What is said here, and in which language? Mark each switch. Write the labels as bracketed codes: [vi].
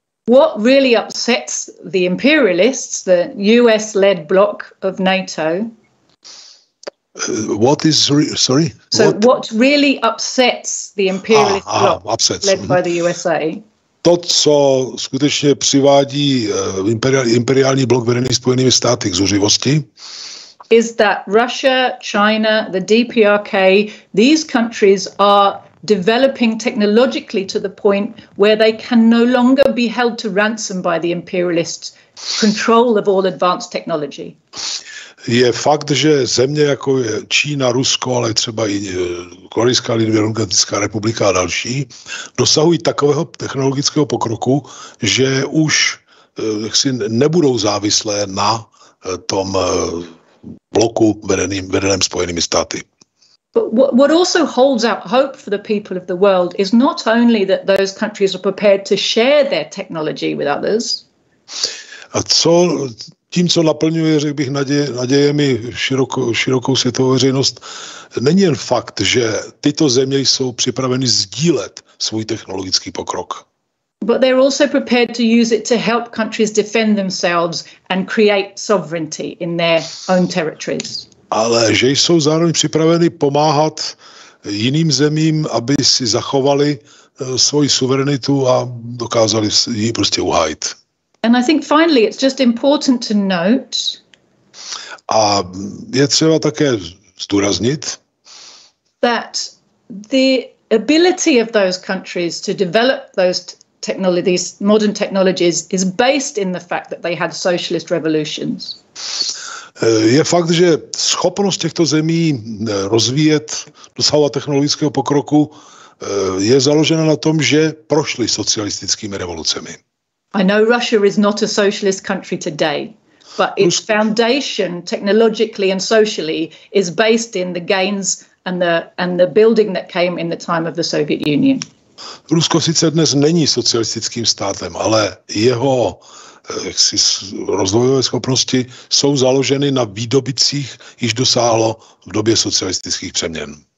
[en] What really upsets the imperialists, the US-led bloc of NATO? What really upsets the imperialist bloc led by the USA? [cs] To, co skutečně přivádí imperiální blok vedený Spojenými státy k zuřivosti, [en] is that Russia, China, the DPRK, these countries are developing technologically to the point where they can no longer be held to ransom by the imperialist control of all advanced technology. [cs] Je fakt, že země jako je Čína, Rusko, ale třeba i Korejská lidově demokratická republika a další, dosahují takového technologického pokroku, že už nebudou závislé na tom bloku vedeném Spojenými státy. [en] But what also holds out hope for the people of the world is not only that those countries are prepared to share their technology with others. [cs] A co tím, co naplňuje, řekl bych, nadějemi širokou světovou veřejnost, není jen fakt, že tyto země jsou připraveny sdílet svůj technologický pokrok. [en] But they're also prepared to use it to help countries defend themselves and create sovereignty in their own territories. [cs] Ale že jsou zároveň připraveny pomáhat jiným zemím, aby si zachovali svoji suverenitu a dokázali ji prostě uhájit. [en] And I think finally it's just important to note. [cs] A je třeba také zdůraznit, [en] that the ability of those countries to develop those technologies, modern technologies, is based in the fact that they had socialist revolutions. [cs] Je fakt, že schopnost těchto zemí rozvíjet, dosahovat technologického pokroku, je založena na tom, že prošly socialistickými revolucemi. [en] I know Russia is not a socialist country today, but its foundation technologically and socially is based in the gains and the building that came in the time of the Soviet Union. [cs] Rusko sice dnes není socialistickým státem, ale jeho rozvojové schopnosti jsou založeny na výdobicích, již dosáhlo v době socialistických přeměn.